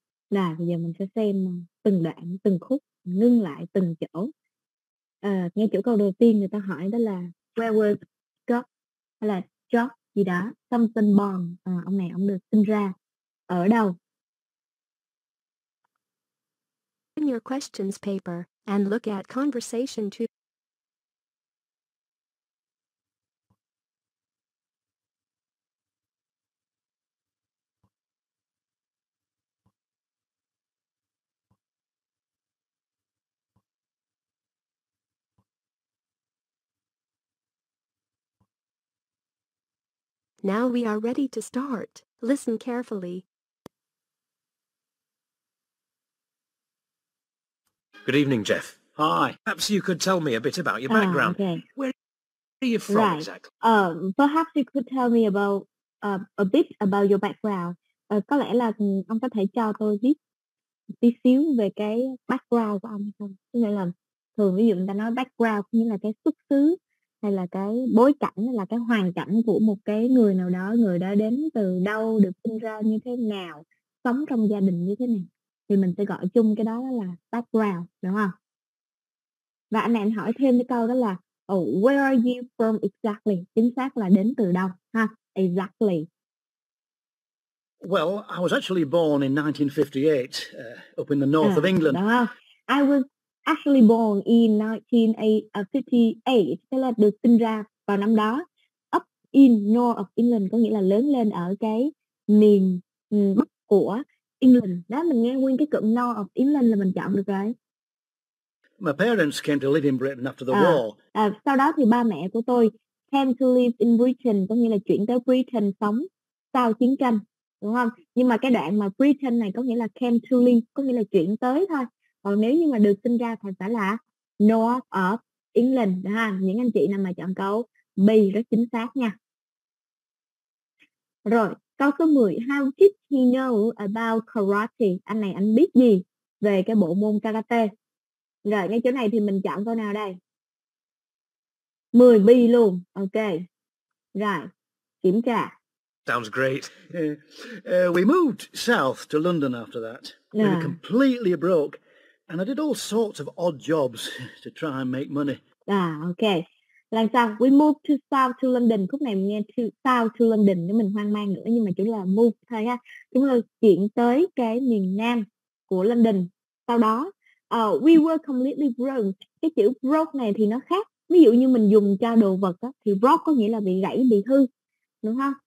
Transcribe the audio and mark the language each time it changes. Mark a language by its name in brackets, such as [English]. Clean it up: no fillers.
[Vietnamese] Rồi bây giờ mình sẽ xem từng đoạn, từng khúc, ngưng lại từng chỗ. Nghe chỗ câu đầu tiên người ta hỏi đó là [English] where was God? [Vietnamese] Hay là God? Gì đó, [English] something born, [Vietnamese] ông này ông được sinh ra ở đâu? [English] In your questions paper and look at conversation 2. Now we are ready to start. Listen carefully. Good evening, Jeff. Hi. Perhaps you could tell me a bit about your background. Okay. Where are you from, right, exactly? Perhaps you could tell me about a bit about your background. [Vietnamese] Có lẽ là ông có thể cho tôi biết tí xíu về cái background của ông không? Có nghĩa là thường ví dụ người ta nói background như là cái xuất xứ hay là cái bối cảnh, là cái hoàn cảnh của một cái người nào đó, người đó đến từ đâu, được sinh ra như thế nào, sống trong gia đình như thế nào. Thì mình sẽ gọi chung cái đó là background, đúng không? Và anh em hỏi thêm cái câu đó là oh, [English] where are you from exactly? [Vietnamese] Chính xác là đến từ đâu, ha? [English] Exactly. Well, I was actually born in 1958, up in the north of England. I was actually born in 1958, [Vietnamese] tức là được sinh ra vào năm đó. [English] Up in north of England [Vietnamese] có nghĩa là lớn lên ở cái miền bắc của England. Đó, mình nghe nguyên cái cụm north of England là mình chọn được rồi. [English] My parents came to live in Britain after the war. [Vietnamese] Sau đó thì ba mẹ của tôi [English] came to live in Britain, [Vietnamese] có nghĩa là chuyển tới Britain sống sau chiến tranh. Đúng không? Nhưng mà cái đoạn mà Britain này có nghĩa là came to live, có nghĩa là chuyển tới thôi. Còn nếu như mà được sinh ra thì phải là north of England ha. Những anh chị nào mà chọn câu B rất chính xác nha. Rồi, câu số 10. [English] How did he know about karate? [Vietnamese] Anh này anh biết gì về cái bộ môn karate? Rồi, ngay chỗ này thì mình chọn câu nào đây? 10B luôn, ok. Rồi, kiểm tra. [English] Sounds great. We moved south to London after that. We were completely broke. And I did all sorts of odd jobs to try and make money. Okay. [Vietnamese] Làm sao? [English] We moved to south to London. [Vietnamese] Khúc này mình nghe to south to London để mình hoang mang nữa. Nhưng mà chỉ là move thôi ha. Chúng ta chuyển tới cái miền nam của London. Sau đó, [English] we were completely broke. [Vietnamese] Cái chữ broke này thì nó khác. Ví dụ như mình dùng cho đồ vật á, thì broke có nghĩa là bị gãy, bị hư. Đúng không?